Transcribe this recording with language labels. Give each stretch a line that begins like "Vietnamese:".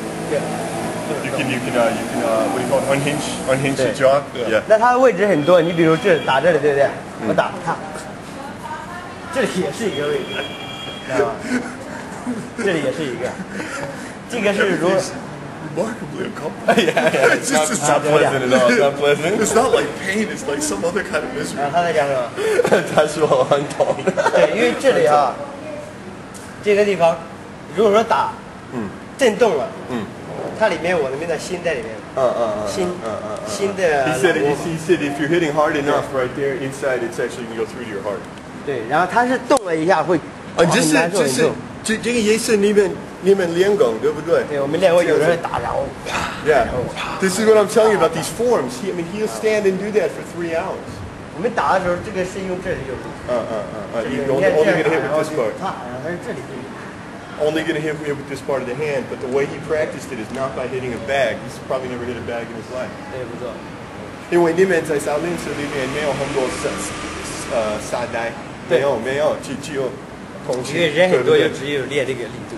Chinese: 对。
English: You can unhinge jaw. Yeah.
Chinese: 那它的位置很多，你比如这打这里，对不对？我打它，这里也是一个位置，知道吗？这里也是一个，这个是如。
English: Remarkably uncomfortable. Yeah, yeah. It's not pleasant at all. It's not like pain, it's like some other kind of misery.
Chinese: 他在讲什么？他说我很痛。说打，震动了，它里面我的心在里面。嗯嗯嗯。心，心的。
English: He said if you're hitting hard enough right there inside, it's actually going to go through to your heart.
Chinese: 对，然后它是动了一下会很难受。这个也是里面。你们练功对不对？对，我们练过，有人打然后。
English: Yeah, this is what I'm telling you about these forms. He, I mean, he'll stand and do that for 3 hours.
Chinese: 我们打的时候，这个是用这里用。
English: Only gonna hit with this part of the hand, but the way he practiced it is not by hitting a bag. He's probably never hit a bag in his life.
Chinese: 对，不错。因为你们在少林寺里面没有很多沙袋，没有，只有。因为人很多，也只有练这个力度。